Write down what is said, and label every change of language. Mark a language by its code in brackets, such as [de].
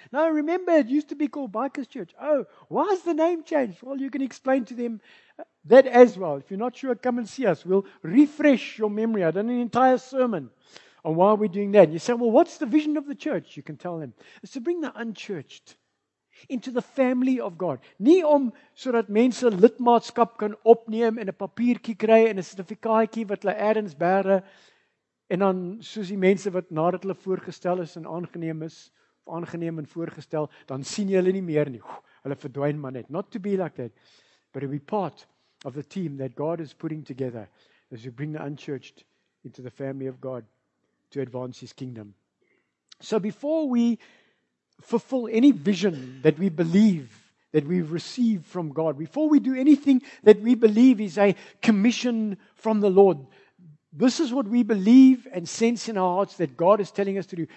[en] No, remember, it used to be called Bikers Church. Oh, why has the name changed? Well, you can explain to them that as well. If you're not sure, come and see us. We'll refresh your memory. I've done an entire sermon on why we're doing that. And you say, well, what's the vision of the church? You can tell them. It's to bring the unchurched into the family of God. [af] Nie om sodat mense lidmaatskap kan opneem en 'n papiertjie kry en 'n sertifikaatjie wat hulle eerens bære en dan soos die mense wat nadat hulle voorgestel is en aangeneem is, aangeneem en voorgestel, dan sien jy hulle nie meer nie. Hulle verdwyn maar net. [en] Not to be like that, but to be part of the team that God is putting together as we bring the unchurched into the family of God to advance His kingdom. So before we fulfill any vision that we believe that we've received from God, before we do anything that we believe is a commission from the Lord, this is what we believe and sense in our hearts that God is telling us to do.